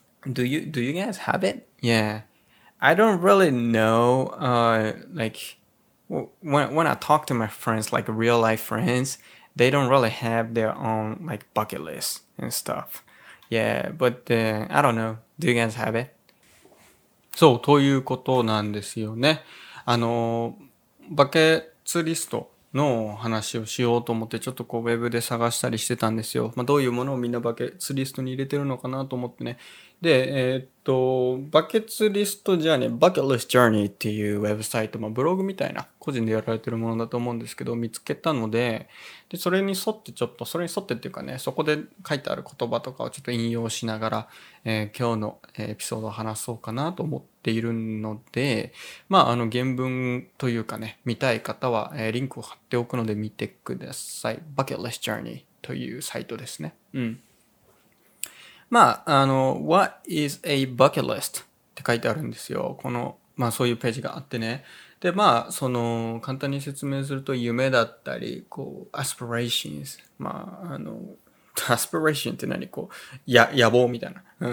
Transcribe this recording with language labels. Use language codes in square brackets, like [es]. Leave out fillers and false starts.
[en] Do you guys have it? Yeah, I don't really know. Like when I talk to my friends, like real life friends, they don't really have their own like bucket list and stuff. Yeah, but I don't know. Do you guys have it? [ja] そう、ということなんですよね。あの、バケツリストの話をしようと思って、ちょっとこう、ウェブで探したりしてたんですよ。まあ、どういうものをみんなバケツリストに入れてるのかなと思ってね。で、バケツリストじゃね、バケットリストジャーニーっていうウェブサイト、まあ、ブログみたいな、個人でやられてるものだと思うんですけど、見つけたので、で、それに沿ってちょっと、それに沿ってっていうかね、そこで書いてある言葉とかをちょっと引用しながら、今日のエピソードを話そうかなと思っているので、まあ、あの、原文というかね、見たい方は、リンクを貼っておくので見てください。バケットリストジャーニーというサイトですね。うん。まあ、あの、 [en] What is a bucket list? [ja] って書いてあるんですよ。この、まあそういうページがあってね。で、まあ、その、簡単に説明すると、夢だったり、こう、aspirations。まあ、あの、aspiration って何?こう、野望みたいな。